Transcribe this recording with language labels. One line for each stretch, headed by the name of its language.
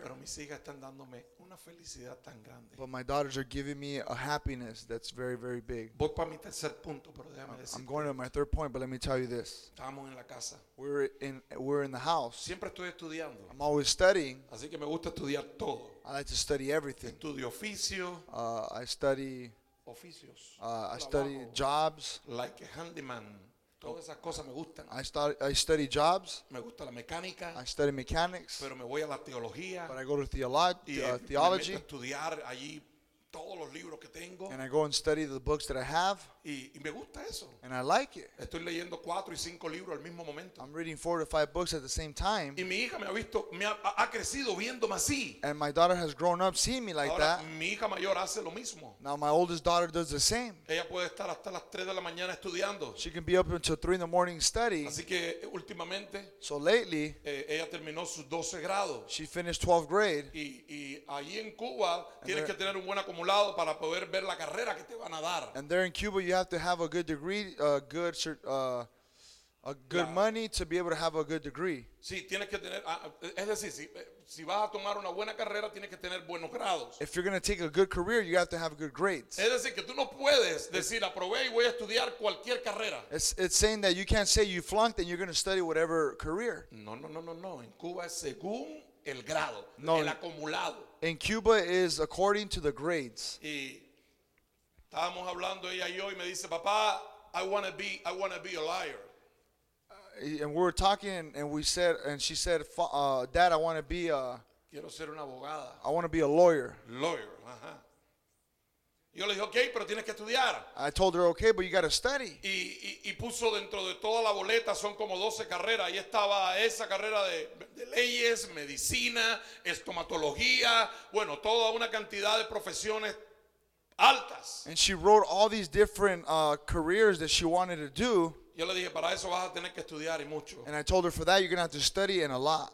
Spanish: Pero mis hijas están dándome una felicidad tan grande.
English: But my daughters are giving me a happiness that's very, very big.
Spanish: Voy para mi tercer punto, pero déjame decirte.
English: I'm going to my third point, but let me tell you this.
Spanish: Estamos en la casa.
English: We're in the house.
Spanish: Siempre estoy estudiando.
English: I'm always studying.
Spanish: Así que me gusta estudiar todo.
English: I like to study everything.
Spanish: Estudio oficio.
English: I study
Spanish: oficios.
English: I study jobs. Like a handyman.
Spanish: Todas esas cosas me gustan.
English: I study jobs.
Spanish: Me gusta la mecánica.
English: I study mechanics.
Spanish: Pero me voy a la teología.
English: But I go to theology.
Spanish: Me meto a estudiar allí todos los libros que tengo.
English: And I go and study the books that I have.
Spanish: Y me gusta eso.
English: And I like it.
Spanish: Estoy leyendo 4 y 5 libros al mismo momento.
English: I'm reading 4 to 5 books at the same time.
Spanish: Y mi hija me ha crecido viéndome así.
English: And my daughter has grown up seeing me like
Spanish: ahora,
English: that.
Spanish: Mi hija mayor hace lo mismo.
English: Now my oldest daughter does the same.
Spanish: Ella puede estar hasta las 3 de la mañana estudiando.
English: She can be up until 3 in the morning studying.
Spanish: Así que últimamente.
English: So lately.
Spanish: Ella terminó sus 12 grados.
English: She finished 12th grade.
Spanish: Y ahí en Cuba tienes que tener un buen acumulado para poder ver la carrera que te van a dar.
English: And there in Cuba you have to have a good degree, a good money to be able to have a good degree.
Spanish: Sí, tienes que tener, es decir, si vas a tomar una buena carrera, tienes que tener buenos grados.
English: If you're going to take a good career, you have to have good grades.
Spanish: Es decir, que tú no puedes decir, aprobé y voy a estudiar cualquier carrera.
English: It's saying that you can't say you flunked and you're going to study whatever career.
Spanish: No. En Cuba es según el grado, no, el acumulado.
English: In Cuba is according to the grades.
Spanish: Y estábamos hablando ella y yo y me dice, papá,
English: I want to be a liar. And we were talking and she said, dad, I want to be a...
Spanish: Quiero ser una abogada.
English: I want to be a lawyer. Lawyer, ajá.
Spanish: Yo le dije, okay, pero tienes que estudiar.
English: I told her, okay, but you got to study.
Spanish: Y puso dentro de toda la boleta, son como 12 carreras. Ahí estaba esa carrera de leyes, medicina, estomatología. Bueno, toda una cantidad de profesiones altas.
English: And she wrote all these different careers that she wanted to do.
Spanish: Yo le dije, para eso vas a tener que estudiar y mucho.
English: And I told her, for that, you're going to have to study and a lot.